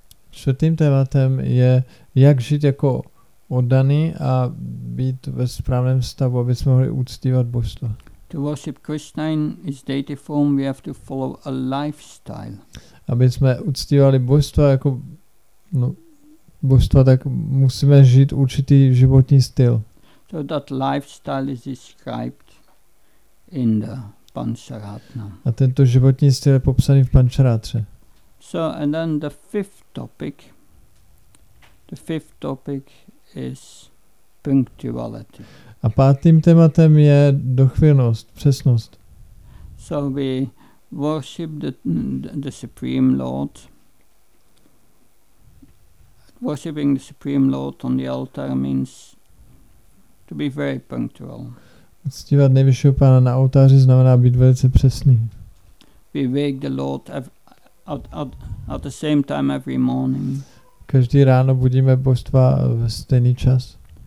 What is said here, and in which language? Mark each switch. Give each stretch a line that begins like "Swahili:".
Czech: Čtvrtým tématem je, jak žít jako oddaný a být ve správném stavu, aby jsme mohli uctívat božstva.
English: To worship Krishna in his deity form, we have to follow a lifestyle.
Czech: Aby jsme uctívali božstva jako božstva, tak musíme žít určitý životní styl.
English: So that lifestyle is described in the Pancharatna.
Czech: A tento životní styl je popsaný v Pancharatře.
English: So and then the fifth topic is punctuality.
Czech: A pátým tématem je dochvilnost, přesnost.
English: So we worship the Supreme Lord. Worshipping the Supreme Lord on the altar means to be very punctual.
Czech: Uctívat nejvyššího pána na oltáři znamená být velice přesný.
English: We wake the Lord at the same time every morning.
Czech: Každý ráno budíme božstva ve stejný čas.